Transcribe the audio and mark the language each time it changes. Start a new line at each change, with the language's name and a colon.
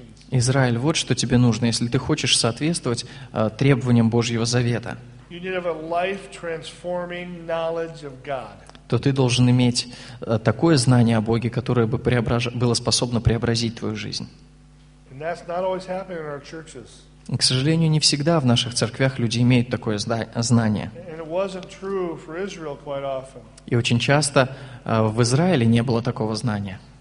Russian: Израиль, вот что тебе нужно, если ты хочешь соответствовать требованиям Божьего Завета.
English: You need to have a life-transforming knowledge of God.
Russian: То ты должен иметь такое знание о Боге, которое бы было способно преобразить твою жизнь.
English: And that's not always happening in our churches.
Russian: К сожалению, не всегда в наших церквях люди имеют такое знание.
English: And it wasn't true for Israel quite often.
Russian: И очень часто в Израиле не было такого знания.